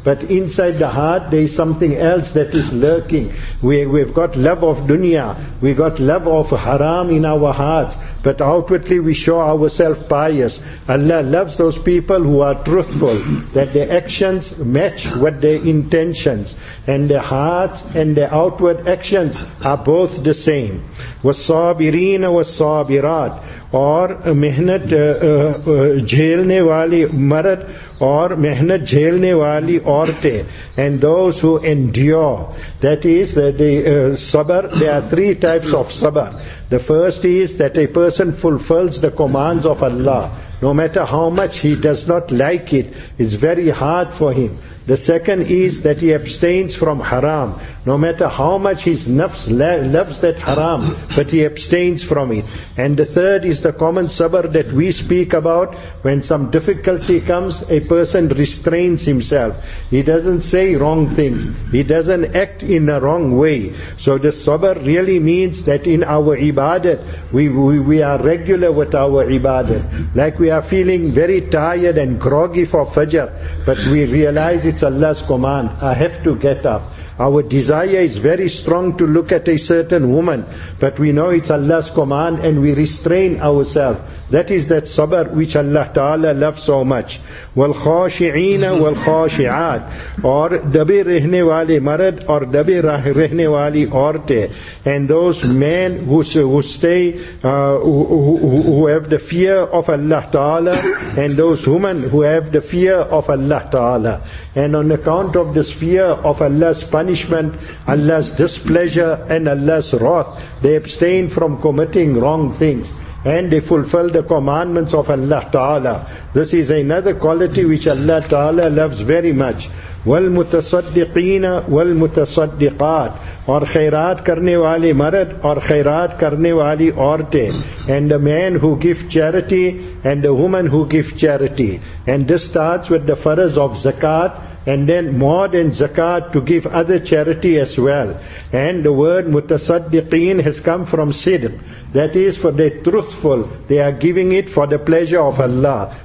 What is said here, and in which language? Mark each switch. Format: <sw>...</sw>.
<en>But inside the heart there is something else that is lurking. We've got love of dunya. We got love of haram in our hearts. But outwardly we show ourselves biased. Allah loves those people who are truthful, that their actions match with their intentions, and their hearts and their outward actions are both the same.</en> <ar>وَالصَّابِرِينَ وَالصَّابِرَاتِ</ar> <ur>اور محنت جھیلنے والی مرد اور محنت جھیلنے والی عورتیں.</ur> <en>And those who endure, that is sabr, there are three types of sabr. The first is that a person fulfills the commands of Allah. No matter how much he does not like it, it's very hard for him. The second is that he abstains from haram. No matter how much his nafs loves that haram, but he abstains from it. And the third is the common sabr that we speak about. When some difficulty comes, a person restrains himself. He doesn't say wrong things. He doesn't act in a wrong way. So the sabr really means that in our ibadat, we are regular with our ibadat. Like we are feeling very tired and groggy for fajr, but we realize it's Allah's command. I have to get up. Our desire is very strong to look at a certain woman, but we know it's Allah's command and we restrain ourselves. That is that sabr which Allah Ta'ala loves so much.</en> <ar>وَالْخَوْشِعِينَ وَالْخَوْشِعَاتِ</ar> <ur>اور دبے رہنے والے مرد اور دبے رہنے والی عورتیں.</ur> <en>And those men who have the fear of Allah Ta'ala, and those women who have the fear of Allah Ta'ala. And on account of this fear of Allah's punishment, Allah's displeasure and Allah's wrath, they abstain from committing wrong things. And they fulfill the commandments of Allah Ta'ala. This is another quality which Allah Ta'ala loves very much.</en> <ar>وَالْمُتَصَدِّقِينَ وَالْمُتَصَدِّقَاتِ</ar> <ur>اور خیرات کرنے والی مرد اور خیرات کرنے والی عورتیں.</ur> <en>And the man who gives charity and the woman who gives charity. And this starts with the farz of zakat. And then more than zakat, to give other charity as well. And the word mutasaddiqeen has come from sidq. That is, for they truthful. They are giving it for the pleasure of Allah.</en>